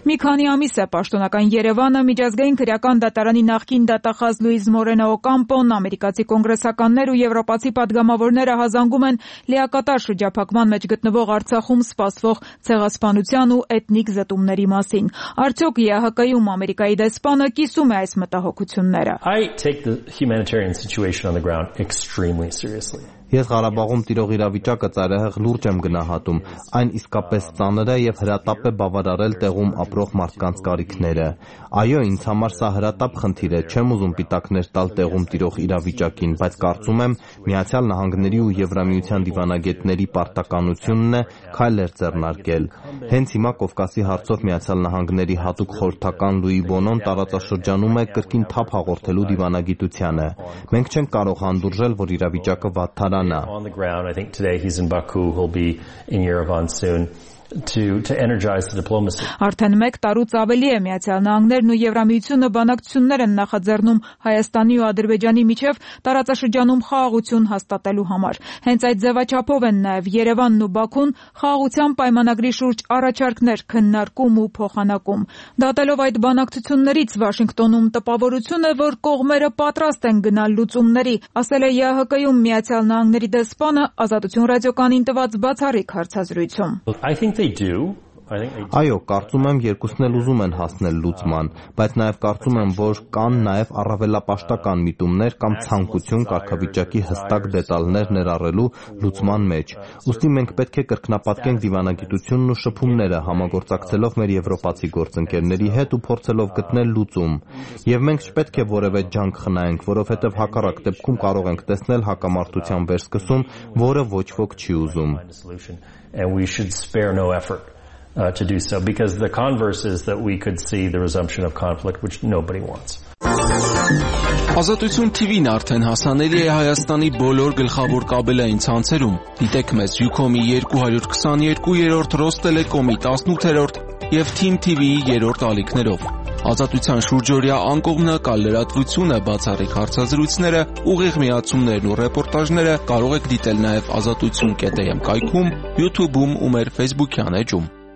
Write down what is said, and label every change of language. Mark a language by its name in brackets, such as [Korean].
[Armenian] Մի քանի ամիս է պաշտոնական Երևանը միջազգային քրեական դատարանի նախկին դատախազ Լուիզ Մորենո Օկամպոն, ամերիկացի կոնգրեսականներ ու եվրոպացի падգամավորները հազանգում են լիակատար շրջափակման մեջ գտնվող Արցախում սպասվող ցեղասպանության ու էթնիկ զտումների մասին։ Արդյոք ԵԱՀԿ-ում ամերիկայի դեսպանը կիսում է այս մտահոգությունները։ [English] I take the humanitarian situation on the ground extremely seriously. [Armenian] Ես Ղարաբաղում տիրող իրավիճակը ծայրահեղ լուրջ եմ գնահատում։ Այն իսկապես ծանր է եւ հրատապ է բավարարել տեղում ապրող մարդկանց կարիքները։ Այո, ինձ համար սա հրատապ խնդիր է, չեմ ուզում պիտակներ տալ տեղում տիրող իրավիճակին, բայց կարծում եմ, Միացյալ Նահանգների ու Եվրամիության դիվանագետների պարտականությունն է քայլեր ձեռնարկել։ Հենց հիմա Կովկասի հարցով Միացյալ Նահանգների հատուկ խորհրդական Լուի Բոնոն տարածաշրջանում է կրկին թափ հաղորդելու դիվանագիտությանը։ Մենք չենք կարող հանդուրժել, որ իրավիճակը վատ [English] on the ground I think today he's in Baku he'll be in Yerevan soon to energize the diplomacy. [Armenian] Արդեն 1 տարուց ավելի է Միացյալ Նահանգներն ու Եվրամիությունը բանակցություններ են նախաձեռնում Հայաստանի ու Ադրբեջանի միջև տարածաշրջանում խաղաղություն հաստատելու համար։ Հենց այդ ձևաչափով են նաև Երևանն ու Բաքուն խաղաղության պայմանագրի շուրջ առաջարկներ քննարկում ու փոխանակում։ Դատելով այդ բանակցություններից Վաշինգտոնում տպավորություն է, որ կողմերը պատրաստ են գնալ լուծումների, ասել է ԵԱՀԿ-ում Միացյալ Նահանգների դեսպանը Ազատություն ռադիոկանին տված բացառիկ հարցազրույցում։ [English] I think they do. [Armenian] Այո, կարծում եմ երկուսն էլ ուզում են հասնել լուծման, բայց նաև կարծում եմ, որ կան նաև առավելապաշտական միտումներ կամ ցանկություն կարգավիճակի հստակ դետալներ ներառելու լուծման մեջ։ Ուստի մենք պետք է կրկնապատկենք դիվանագիտությունն ու շփումները, համագործակցելով մեր եվրոպացի գործընկերների հետ ու փորձելով գտնել լուծում։ Եվ մենք չպետք է որևէ ջանք խնայենք, որովհետև հակառակ դեպքում կարող ենք տեսնել հակամարտության վերսկսում, որը ոչ ոք չի ուզում։ [English] To do so, because the converse is that we could see the resumption of conflict, which nobody wants. [Armenian] Ազատություն TV-ն արդեն հասանելի է Հայաստանի բոլոր գլխավոր կաբելային ցանցերում։ Դիտեք մեզ Ucom-ի 222-րդ, Rostelecom-ի 18-րդ և Team TV-ի 3-րդ ալիքներով։ Ազատության շուրջօրյա անկողմնակալ լրատվությունը, բացառիկ հարցազրույցները, ուղիղ միացումներն ու ռեպորտաժները կարող եք դիտել նաև azatutyun.am կայքում, YouTube-ում ու մեր Facebook-յան էջում։